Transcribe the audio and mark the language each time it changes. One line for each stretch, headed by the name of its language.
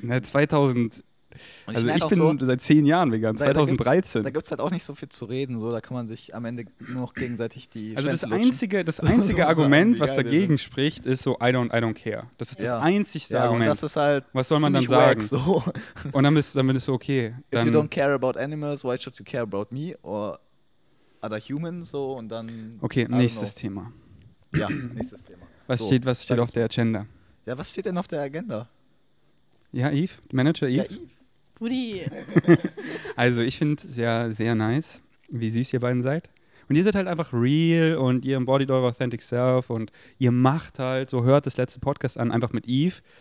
German: Ne, 2000. Und ich, also ich bin so, seit 10 Jahren vegan, 2013. Da gibt es halt auch nicht so viel zu reden, so, da kann man sich am Ende nur noch gegenseitig die Schwänze lutschen. Also das einzige so Argument, was dagegen spricht, ist so,
English: I don't care.
German: Das ist das einzigste Argument. Und das ist halt, was soll man dann sagen? Wack, so. Und dann bist du okay. Dann,
English: if you don't care about animals, why should you care about me or other humans?
German: So, und dann, okay, nächstes Thema. Ja, nächstes Thema. Was steht auf der Agenda? Ja, was steht denn auf der Agenda? Ja, Eve, Manager Eve. Ja, Eve. Buddy. Also ich finde es sehr, sehr nice, wie süß ihr beiden seid. Und ihr seid halt einfach real und ihr embodied eure
English: authentic self
German: und ihr macht halt, so hört das letzte Podcast an, einfach mit Eve.